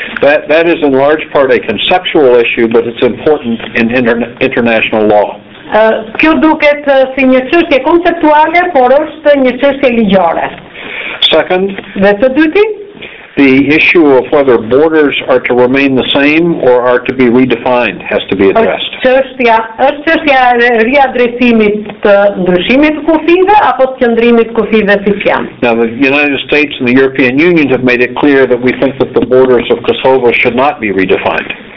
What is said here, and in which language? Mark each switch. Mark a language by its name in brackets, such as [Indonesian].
[English] That is in large part a conceptual issue, but it's important in international law. [Albanian] Kjo duket si një çështje konceptuale, por është një çështje ligjore. [English] Second, [Albanian] dhe të dyti, [English] the issue of whether borders are to remain the same or are to be redefined has to be addressed. [Albanian] Është çështja e riadresimit të ndryshimit të kufive apo të qëndrimit të kufive siç janë. [English] Now the United States and the European Union have made it clear that we think that the borders of Kosovo should not be redefined.